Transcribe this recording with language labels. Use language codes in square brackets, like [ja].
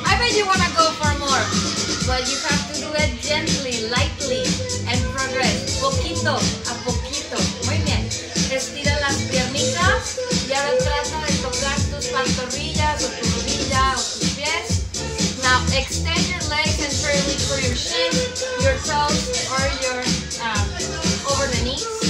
[en] but you have to do it gently, lightly, and progress. [es] Poquito a poquito. Muy bien. Estira las piernitas y ahora trata de tocar tus pantorrillas o tu rodilla o tus pies. [en] Now extend your legs and try to reach for your shin, your toes, or your over the knees.